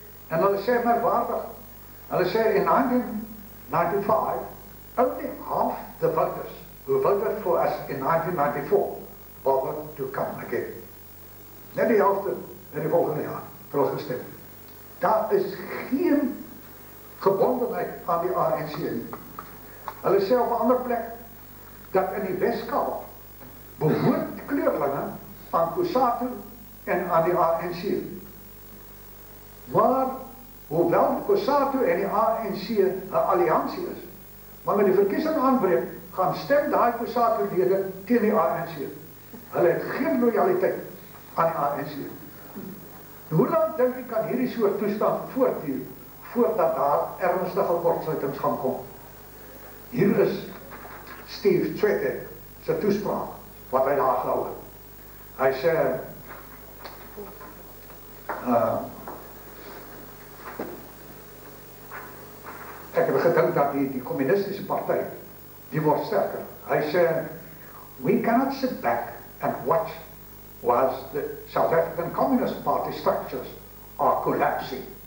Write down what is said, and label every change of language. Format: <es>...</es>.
<af>En hulle sê merkwaardig, hulle sê in 1995,</af> <en>only half the voters who voted for us in 1994 bothered to come again.</en> <af>Net die helft in die volgende jaar vir ons gestem. Daar is geen gebondenheid aan die ANC nie. Hulle sê op 'n ander plek dat in die Weskaap behoort kleurlinge aan Kusatu en aan die ANC. Maar, hoewel Kusatu en die ANC een alliantie is, maar met die verkiesing aanbreek, gaan stem die Kusatu-lede teen die ANC. Hulle het geen loyaliteit aan die ANC. Hoe lang denk jy kan hierdie soort toestand voortduur, voordat daar ernstige kortsluitings gaan kom? Hier is Steve Tweede, sy toespraak, wat hy daar gehou het. Hy sê, ek het gedink dat die communistische partij, die word sterker. Hy sê,</af> <en>we cannot sit back and watch whilst the South African Communist Party structures are collapsing.</en>